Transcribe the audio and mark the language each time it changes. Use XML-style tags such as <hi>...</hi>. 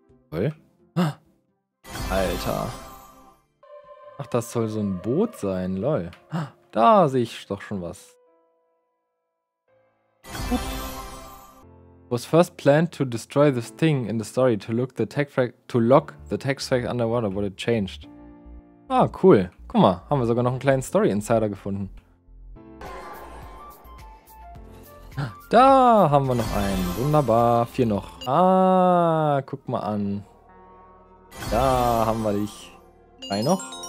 <de>Toll. Alter. Ach, das soll so ein Boot sein, lol. Da sehe ich doch schon was.</de> <en>Was first planned to destroy this thing in the story to lock the tech frag underwater, but it changed.</en> <de>Ah, cool. Guck mal, haben wir sogar noch einen kleinen Story-Insider gefunden. Da haben wir noch einen. Wunderbar. Vier noch. Ah, guck mal an. Da haben wir dich. Drei noch.</de>